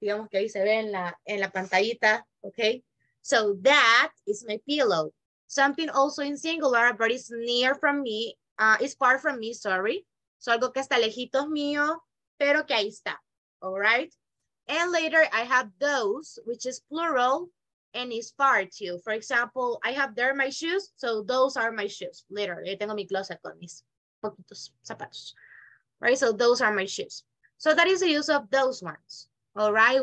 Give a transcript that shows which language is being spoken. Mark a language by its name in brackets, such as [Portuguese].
[Spanish] Digamos que ahí se ve en la pantallita. [English] Okay, so that is my pillow. Something also in singular, but it's near from me. It's far from me, sorry. [Spanish] So algo que está lejitos mío, pero que ahí está, [English] all right? And later I have those, which is plural and is far too. For example, I have there my shoes, so those are my shoes. Later, [Spanish] yo tengo mi closet con mis poquitos zapatos, [English] right? So those are my shoes. So that is the use of those ones, all right?